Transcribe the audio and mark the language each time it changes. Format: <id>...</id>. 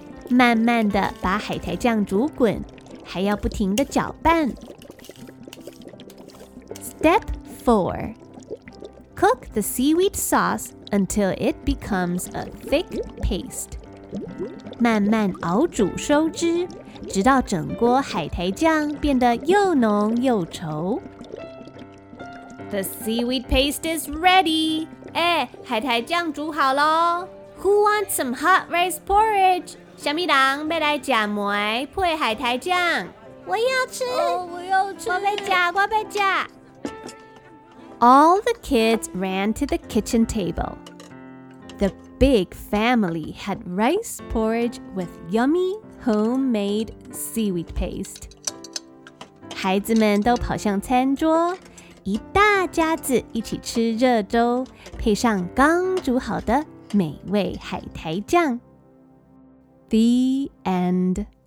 <zh>慢慢地把海苔酱煮滚，还要不停地搅拌。</zh> <en>Step 4. Cook the seaweed sauce until it becomes a thick paste.</en> <zh>慢慢熬煮收汁，直到整锅海苔酱变得又浓又稠。</zh> <en>The seaweed paste is ready!</en> <zh>哎，海苔酱煮好咯。</zh> <en>Who wants some hot rice porridge?</en> <zh>什么人要来吃梅配海苔酱？我要吃！我要吃！我要吃！我要吃！</zh> <en>All the kids ran to the kitchen table. The big family had rice porridge with yummy homemade seaweed paste.</en> <zh>孩子们都跑向餐桌，一大家子一起吃热粥，配上刚煮好的美味海苔酱。</zh> <en>The end.</en>